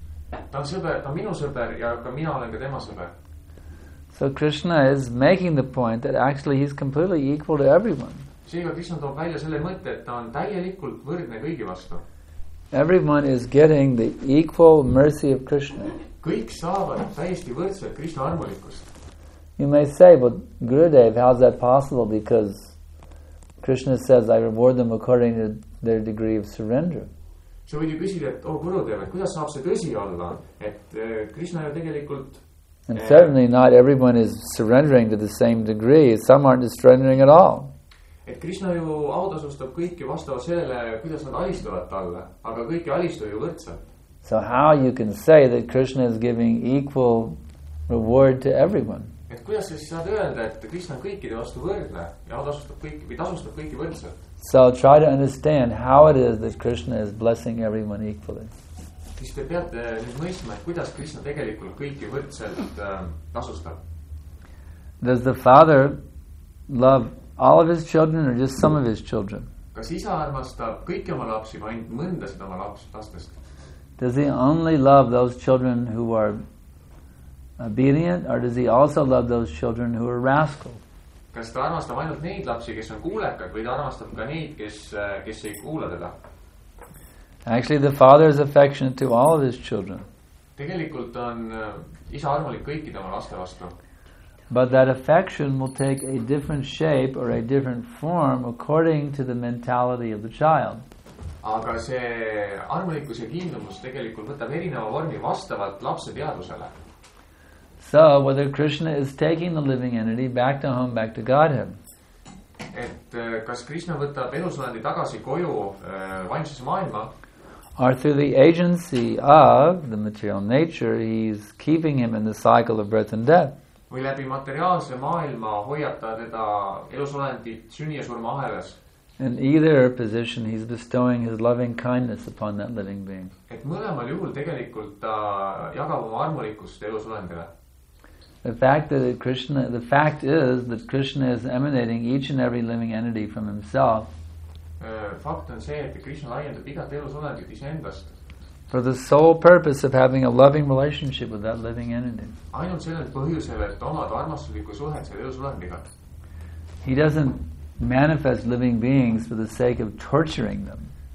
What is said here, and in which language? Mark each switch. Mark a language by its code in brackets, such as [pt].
[et] Ta on sõber, ta on minu sõber ja ka mina olen ka tema sõber. [en] So Krishna is making the point that actually he's completely equal to everyone. [et] Seega Krishna toob välja selle mõtte, et ta on täielikult võrdne kõigi vastu. [en] Everyone is getting the equal mercy of Krishna. [et] Kõik saavad täiesti võrdselt Krishna armulikust. [en] You may say, but Gurudev, how is that possible? Because Krishna says, I reward them according to their degree of surrender. [et] Sa võid ju küsida, et oh Gurudev, kuidas saab see tõsi olla, et Krishna ju tegelikult... [en] And certainly not everyone is surrendering to the same degree. Some aren't surrendering at all. [et] Et Krishna ju autasustab kõiki vastava sellele, kuidas nad alistuvad talle, aga kõiki alistuvad ju võrdselt. [en] So how you can say that Krishna is giving equal reward to everyone? [et] Et kuidas sa siis saad öelda, et Krishna on kõikide vastu võrdne ja autasustab kõiki, või tasustab kõiki võrdselt? [en] So try to understand how it is that Krishna is blessing everyone equally. [et] Siis te peate nüüd mõistma, et kuidas Krishna tegelikult kõiki võrdselt tasustab. [en] Does the father love all of his children or just some of his children? [et] Kas isa armastab kõiki oma lapsi või ainult mõndasid oma lapsest? [en] Does he only love those children who are obedient or does he also love those children who are rascal? [et] Kas ta armastab ainult neid lapsi, kes on kuulekad või ta armastab ka neid, kes ei kuula teda? [en] Actually, the father is affectionate to all of his children. [et] Tegelikult on isa armulik kõikide oma laste vastu. [en] But that affection will take a different shape or a different form according to the mentality of the child. [et] Aga see armulikus ja kindlumus tegelikult võtab erineva vormi vastavalt lapse teadusele. [en] So, whether Krishna is taking the living entity back to home, back to Godhead. [et] Et kas Krishna võtab elusolendi tagasi koju vaimses maailma? [en] Or through the agency of the material nature, he's keeping him in the cycle of birth and death. [et] Või läbi materiaalse maailma hoiata teda elusolendit sünni ja surma ahelas. [en] In either position, he's bestowing his loving kindness upon that living being. [et] Et mõlemal juhul tegelikult ta jagab oma armulikust elusolendile. [en] The fact is that Krishna is emanating each and every living entity from himself. [et] Fakt on see, et Krishna laiendab igat elusolendit iseendast. [en] For the sole purpose of having a loving relationship with that living entity. [et] Ainult sellel põhjusel, et omad armastusliku suhet selle elusolendiga. [en] He doesn't manifest living beings for the sake of torturing them.